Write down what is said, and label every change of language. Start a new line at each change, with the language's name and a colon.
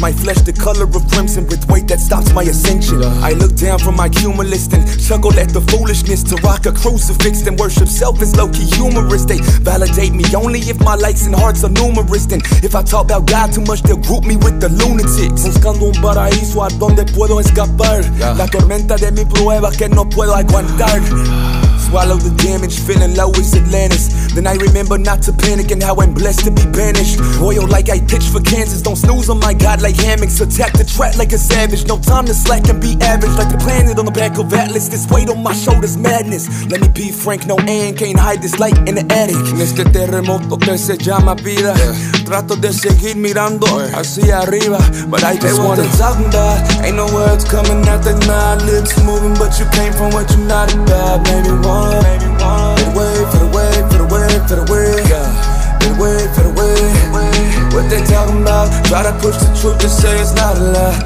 English: My flesh the color of crimson with weight that stops my ascension. I look down from my cumulus and chuckle at the foolishness to rock a crucifix and worship self as low-key humorous. They validate me only if my likes and hearts are numerous. And if I talk about God too much, they'll group me with the lunatics.
Spanish: Buscando un paraíso a donde puedo escapar. La tormenta de mi prueba que no puedo aguantar.
English: Swallow the damage, feeling low as Atlantis. Then I remember not to panic and how I'm blessed to be banished. Royal like I pitch for Kansas. Don't snooze on my god like hammocks. Attack the track like a savage. No time to slack and be average. Like the planet on the back of Atlas. This weight on my shoulders, madness. Let me be frank, no and can't hide this light in the attic.
Spanish: En este terremoto que se llama vida, trato de seguir mirando hacia arriba.
English: But I just want to talk about. Ain't no words coming out that my lips moving. But you came from what you're not about, baby. Get away, get away, get away, get away, yeah. Get away, get away, get away. What they talking about? Try to push the truth to say it's not a lie.